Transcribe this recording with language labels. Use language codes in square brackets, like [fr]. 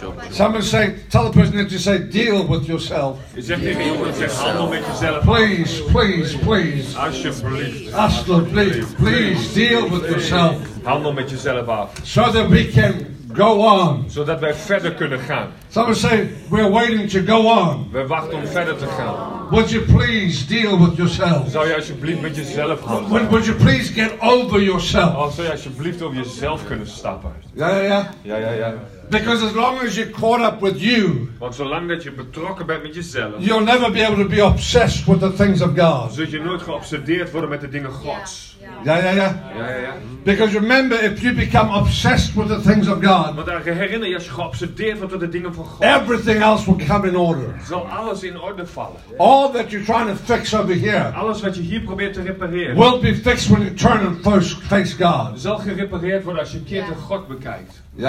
[en] Someone say, tell the person that you say, deal with yourself. [nl] Zeg tegen iemand, zeg handel met jezelf. [en] Please. [nl] Alsjeblieft. [en] Deal with yourself. [nl] Handel met jezelf af. [en] So that we can go on. [nl] Zodat wij verder kunnen gaan. [en] Someone say, we're waiting to go on. [nl] We wachten om verder te gaan. [en] Would you please deal with yourself? [nl] Zou je alsjeblieft met jezelf gaan? [en] Would you please get over yourself? [nl] Oh, zou je alsjeblieft over jezelf kunnen stappen? Ja. [en] Because as long as you're caught up with you, [nl] want zolang dat je betrokken bent met jezelf, [en] you'll never be able to be obsessed with the things of God. [nl] Zul je nooit geobsedeerd worden met de dingen Gods. Ja. [en] Because remember, if you become obsessed with the things of God, [nl] want dan herinner je als je geobsedeerd wordt door de dingen van God, [en] everything else will come in order. [nl] Zal alles in orde vallen. [en] All that you're trying to fix over here, [nl] alles wat je hier probeert te repareren, [en] will be fixed when you turn and face God. [nl] Zal gerepareerd worden als je keer tot God bekijkt.